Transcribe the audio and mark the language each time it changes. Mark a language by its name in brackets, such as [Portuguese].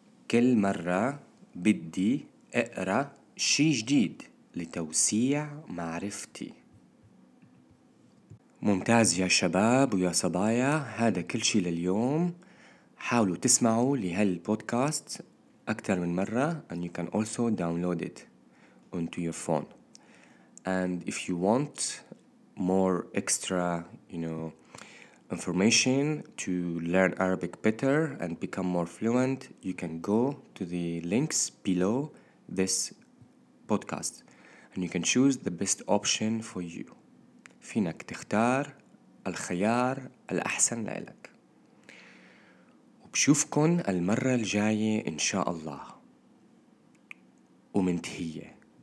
[Arabic] كل مرة بدي أقرأ شي جديد لتوسيع معرفتي. ممتاز يا شباب ويا صبايا، هذا كل شي لليوم. حاولوا تسمعوا لهالبودكاست أكثر من مرة. [English] And you can also download it onto your phone. And if you want more extra, you know, information to learn Arabic better and become more fluent, you can go to the links below this podcast and you can choose the best option for you. [Arabic] فينك تختار الخيار الأحسن لك. وبشوفكن المرة الجاية إن شاء الله. ومنتهية.